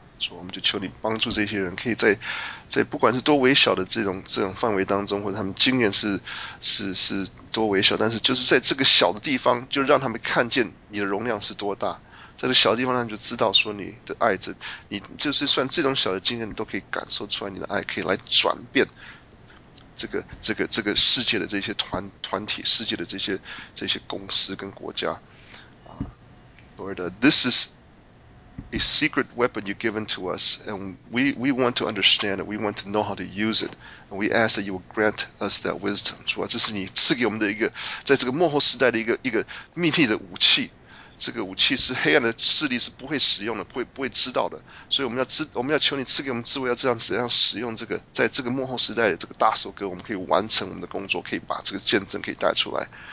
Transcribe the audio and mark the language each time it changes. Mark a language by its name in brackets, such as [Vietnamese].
[Chinese] So, 我们就求你帮助这些人，可以在不管是多微小的这种范围当中，或者他们经验是多微小，但是就是在这个小的地方，就让他们看见你的容量是多大。在这个小地方上就知道说你的爱，你就是算这种小的经验，你都可以感受出来你的爱可以来转变这个世界的这些团体，世界的这些公司跟国家。 [English] Lord, this is a secret weapon you've given to us, and we want to understand it, we want to know how to use it, and we ask that you will grant us that wisdom. [Chinese] 主啊，这是你赐给我们的一个，在这个幕后时代的一个秘密的武器。这个武器是黑暗的势力是不会使用的，不会知道的，所以我们要求你赐给我们智慧，要这样怎样使用这个，在这个幕后时代的这个大收割，我们可以完成我们的工作，可以把这个见证可以带出来。